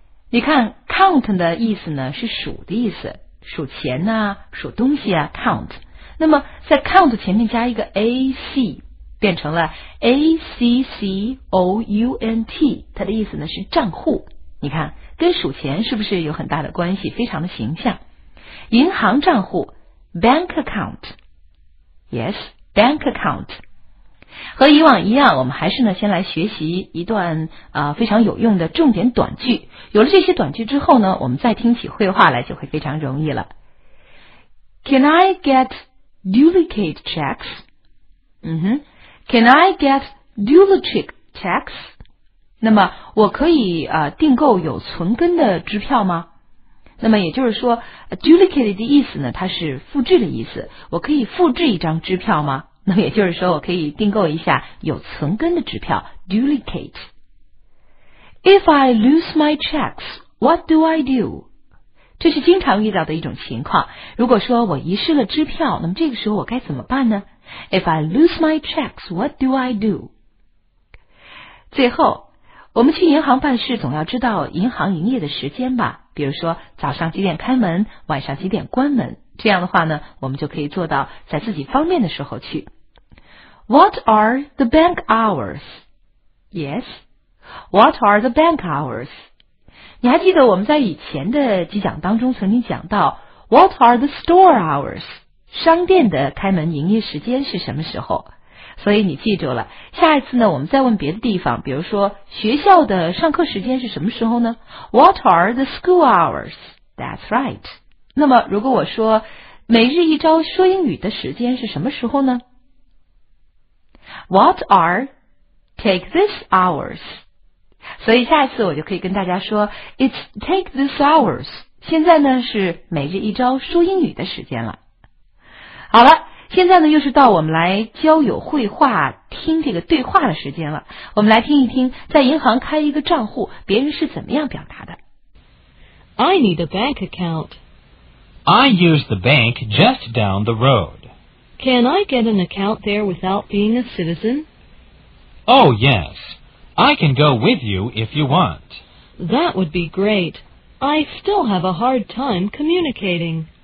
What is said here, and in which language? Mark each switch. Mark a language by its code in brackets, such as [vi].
[zh] 你看 count 的意思呢是数的意思，数钱啊，数东西啊， count。那么在 count 前面加一个 ac 变成了 account， 它的意思呢是账户。你看跟数钱是不是有很大的关系，非常的形象。银行账户 [en] bank account， yesBank account。 [zh] 和以往一样，我们还是呢先来学习一段非常有用的重点短句。有了这些短句之后呢，我们再听起会话来就会非常容易了。 [en] Can I get duplicate checks? Can I get duplicate checks? [zh] 那么我可以订购有存根的支票吗？那么也就是说 duplicate 的意思呢，它是复制的意思，我可以复制一张支票吗？那么也就是说，我可以订购一下有存根的支票 duplicate。 [en] If I lose my checks, what do I do? [zh] 这是经常遇到的一种情况，如果说我遗失了支票，那么这个时候我该怎么办呢？ [en] If I lose my checks, what do I do? [zh] 最后，我们去银行办事总要知道银行营业的时间吧，比如说早上几点开门，晚上几点关门，这样的话呢，我们就可以做到在自己方便的时候去。 [en] What are the bank hours? Yes, what are the bank hours? [zh] 你还记得我们在以前的几讲当中曾经讲到 [en] What are the store hours? [zh] 商店的开门营业时间是什么时候？所以你记住了，下一次呢，我们再问别的地方，比如说学校的上课时间是什么时候呢？ [en] What are the school hours? That's right。 [zh] 那么如果我说每日一招说英语的时间是什么时候呢？ [en] What are take this hours? [zh] 所以下一次我就可以跟大家说 [en] It's take this hours， [zh] 现在呢是每日一招说英语的时间了。好了，现在呢又是到我们来交友会话听这个对话的时间了。我们来听一听在银行开一个账户别人是怎么样表达的。 [en] I need a bank account I use the bank just down the road. Can I get an account there without being a citizen? Oh, yes. I can go with you if you want. That would be great. I still have a hard time communicating.